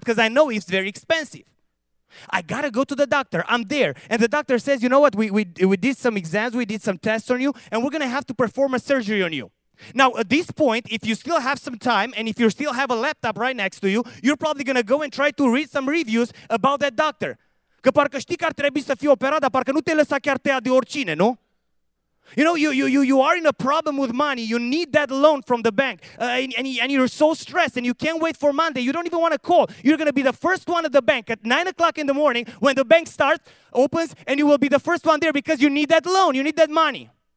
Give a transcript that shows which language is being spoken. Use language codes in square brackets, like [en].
[en] Because I know it's very expensive. I got to go to the doctor. I'm there. And the doctor says, you know what? We did some exams. We did some tests on you. And we're going to have to perform a surgery on you. Now, at this point, if you still have some time and if you still have a laptop right next to you, you're probably going to go and try to read some reviews about that doctor. [ro] Că parcă știi că ar trebui să fie operat, dar parcă nu te lăsa chiar tăia de oricine, nu? [en] You know, you are in a problem with money. You need that loan from the bank. And you're so stressed and you can't wait for Monday. You don't even want to call. You're going to be the first one at the bank at 9 o'clock in the morning when the bank starts, opens, and you will be the first one there because you need that loan. You need that money.